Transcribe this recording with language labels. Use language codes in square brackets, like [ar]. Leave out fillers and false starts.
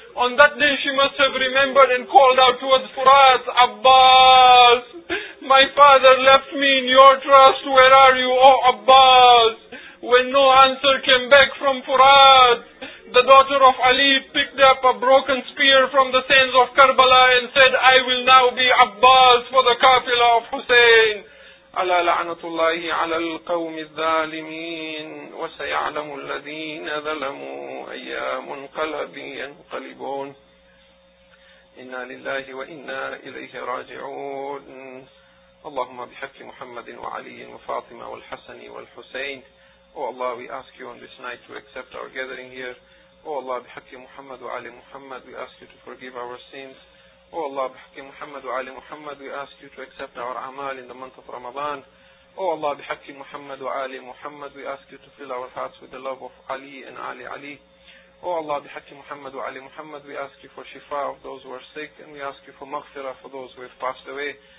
[en] On that day she must have remembered and called out towards Furat, Abbas, my father left me in your trust, where are you, O Abbas? When no answer came back from Furat, the daughter of Ali picked up a broken spear from the sands of Karbala and said, I will now be Abbas for the kafila of Hussein. [ar] ألا لعنة الله على القوم الظالمين وسيعلم الذين ظلموا أي منقلب ينقلبون إنا لله وإنا إليه راجعون اللهم بحق محمد وعلي وفاطمة والحسن والحسين [en] Oh Allah, we ask you on this night to accept our gathering here. Oh Allah, [ar] بحق محمد وعلي محمد, [en] we ask you to forgive our sins. O Allah, [ar] bihaqi Muhammad wa Ali Muhammad, [en] we ask you to accept our amal in the month of Ramadan. O Allah, [ar] bihaqi Muhammad wa Ali Muhammad, [en] we ask you to fill our hearts with the love of Ali and Ali Ali. O Allah, [ar] bihaqi Muhammad wa Ali Muhammad, [en] we ask you for shifa of those who are sick, and we ask you for maghfirah for those who have passed away.